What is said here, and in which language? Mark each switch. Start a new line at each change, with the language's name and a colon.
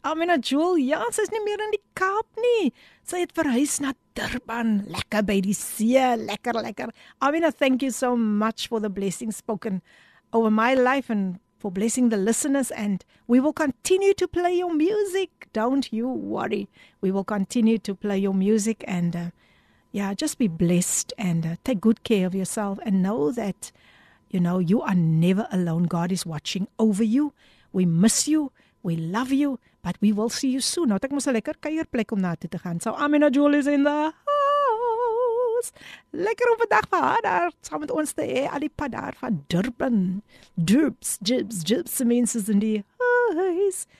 Afrikaans: Amina Jewel, ja, sy is nie meer in die Kaap nie. Sy het verhuis na Durban, lekker by die see, lekker.
English: Amina, thank you so much for the blessing spoken over my life and for blessing the listeners. And we will continue to play your music. Don't you worry. We will continue to play your music and... yeah, just be blessed and take good care of yourself and know that, you know, you are never alone. God is watching over you. We miss you. We love you. But we will see you soon.
Afrikaans: Nou, ek moes 'n lekker kuierplek om na toe te gaan.
English: So, Amina Jewel is in the house.
Afrikaans: Lekker op 'n dag vir haar daar, saam met ons te hê, al die pad daar van Durban. Jibs, means is in die huis.